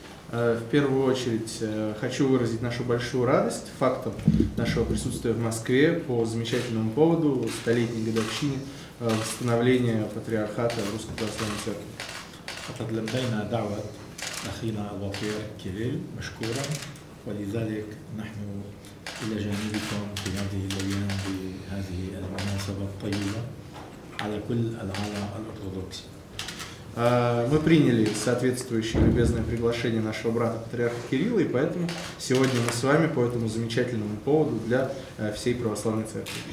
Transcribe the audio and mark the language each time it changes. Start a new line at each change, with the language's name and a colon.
Russian: В первую очередь хочу выразить нашу большую радость фактом нашего присутствия в Москве по замечательному поводу столетней годовщины восстановления патриархата Русской Православной Церкви.
Arabic: Подлемдайна дават ахина Алвафир Кирилл Машкура, ولذلك نحن إلى جانبكم في هذه الأيام بهذه المناسبة الطيبة على كل العالم الأرثوذكسي.
Russian: Мы приняли соответствующее любезное приглашение нашего брата патриарха Кирилла, и поэтому сегодня мы с вами по этому замечательному поводу для всей православной церкви.